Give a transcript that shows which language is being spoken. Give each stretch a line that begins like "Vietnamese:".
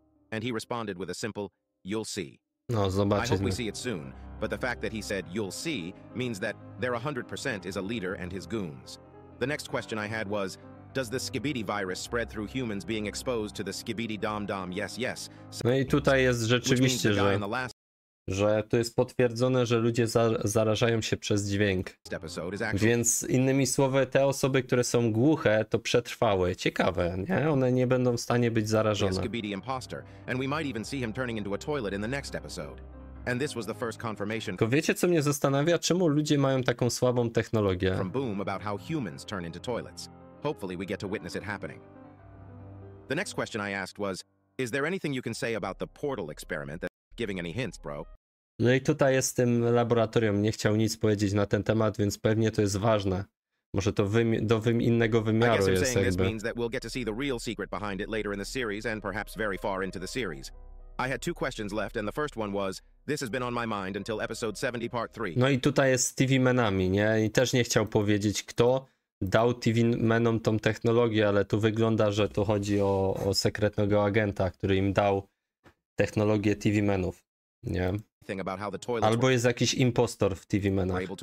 English: And he responded with a simple, you'll see.
Polish: No, zobaczymy.
English: I hope we see it soon. But the fact that he said, you'll see, means that there 100% is a leader and his goons. The next question I had was, does the Skibidi virus spread through humans being exposed to the Skibidi Dom Dom? Yes, yes.
Polish: No i tutaj jest rzeczywiście, że to jest potwierdzone, że ludzie zarażają się przez dźwięk. Więc innymi słowy, te osoby, które są głuche, to przetrwały. Ciekawe, nie? One nie będą w stanie być zarażone.
English: Skibidi imposter, and we might even see him turning into a toilet in the next episode. And this was the first confirmation.
Polish: Tylko wiecie, co mnie zastanawia, czemu ludzie mają taką słabą technologię?
English: From Boom about how humans turn into toilets. Hopefully we get to witness it happening. The next question I asked was, is there anything you can say about the portal experiment that giving any hints, bro?
Polish: No i tutaj jest tym laboratorium, nie chciał nic powiedzieć na ten temat, więc pewnie to jest ważne. Może to innego wymiaru jest jakby.
English: I guess I'm saying this means we'll get to see the real secret behind it later in the series and perhaps very far into the series. I had two questions left and the first one was, this has been on my mind until episode 70 part 3.
Polish: No i tutaj jest TV Manami, nie? I też nie chciał powiedzieć, kto dał TV Manom tą technologię, ale tu wygląda, że tu chodzi o sekretnego agenta, który im dał technologię TV Manów, nie? Albo jest jakiś impostor w TV Manach.